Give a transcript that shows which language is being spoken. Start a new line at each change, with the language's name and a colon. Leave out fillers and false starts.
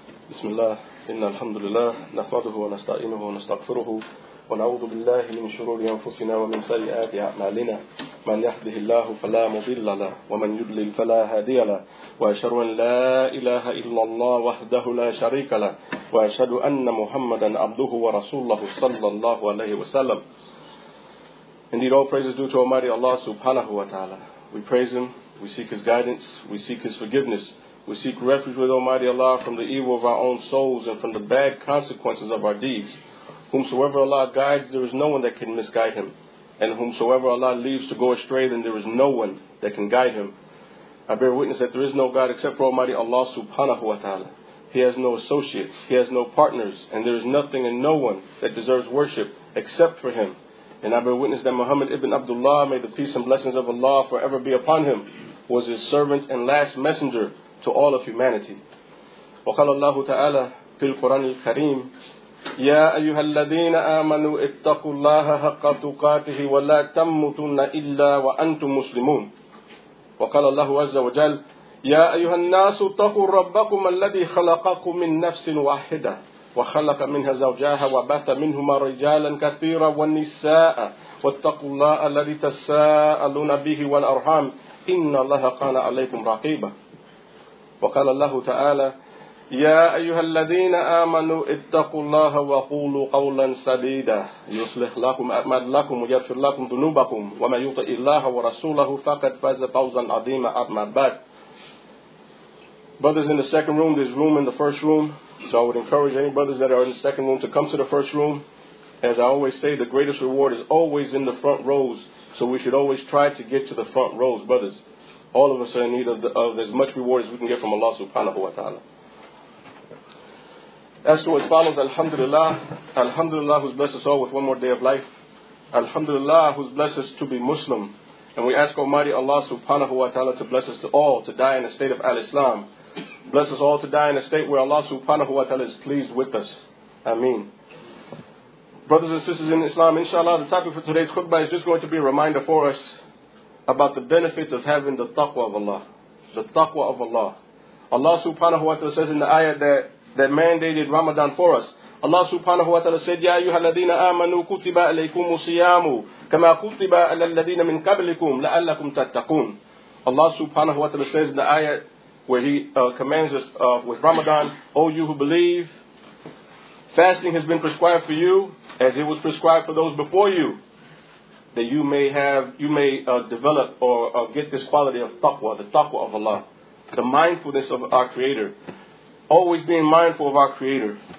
Arabic: بسم الله إن الحمد لله نحمده ونستعينه ونستغفره ونعوذ بالله من شرور أنفسنا ومن سيئات أعمالنا من يهده الله فلا مضل له ومن يضلل فلا هادي له وأشهد أن لا إله إلا الله وحده لا شريك له وأشهد أن محمدا عبده ورسوله صلى الله عليه وسلم.
English: Indeed, all praises due to Almighty Allah subhanahu wa ta'ala. We praise Him, we seek His guidance, we seek His forgiveness. We seek refuge with Almighty Allah from the evil of our own souls and from the bad consequences of our deeds. Whomsoever Allah guides, there is no one that can misguide him. And whomsoever Allah leaves to go astray, then there is no one that can guide him. I bear witness that there is no God except for Almighty Allah subhanahu wa ta'ala. He has no associates, he has no partners, and there is nothing and no one that deserves worship except for him. And I bear witness that Muhammad ibn Abdullah, may the peace and blessings of Allah forever be upon him, was his servant and last messenger to all of humanity.
Arabic: وقال الله تعالى في القرآن الكريم يا أيها الذين آمنوا اتقوا الله حق تقاته ولا تموتن إلا وأنتم مسلمون. وقال الله عز وجل يا أيها الناس اتقوا ربكم الذي خلقكم من نفس واحدة وخلق منها زوجها وبث منهما رجالا كثيرا والنساء واتقوا الله الذي تساءلون به والأرحام إن الله كان عليكم رقيبا. وقال الله تعالى يا أيها الذين آمنوا اتقوا الله وقولوا قولا سديدا يصلح لكم أعمالكم ويغفر لكم ذنوبكم ومن يطع الله ورسوله فقد فاز فوزا عظيما أما بعد.
English: Brothers in the second room, there's room in the first room, so I would encourage any brothers that are in the second room to come to the first room. As I always say, the greatest reward is always in the front rows, so we should always try to get to the front rows, brothers. All of us are in need of as much reward as we can get from Allah subhanahu wa ta'ala. As to as follows, Alhamdulillah. Alhamdulillah, who's blessed us all with one more day of life. Alhamdulillah, who's blessed us to be Muslim. And we ask Almighty Allah subhanahu wa ta'ala to bless us all to die in a state of al-Islam. Bless us all to die in a state where Allah subhanahu wa ta'ala is pleased with us. Ameen. Brothers and sisters in Islam, inshallah, the topic for today's khutbah is just going to be a reminder for us about the benefits of having the taqwa of Allah. The taqwa of Allah. Allah subhanahu wa ta'ala says in the ayah that mandated Ramadan for us. Allah subhanahu wa ta'ala said,
Arabic: يَا أَيُّهَا الَّذِينَ آمَنُوا كُتِبَ عَلَيْكُمُ الصِّيَامُ كَمَا كُتِبَ عَلَى الَّذِينَ مِنْ قَبْلِكُمْ لَأَلَّكُمْ تَتَّقُونَ.
English: Allah subhanahu wa ta'ala says in the ayah where he commands us with Ramadan, O you who believe, fasting has been prescribed for you as it was prescribed for those before you, that you may develop or get this quality of taqwa, the taqwa of Allah, the mindfulness of our Creator, always being mindful of our Creator.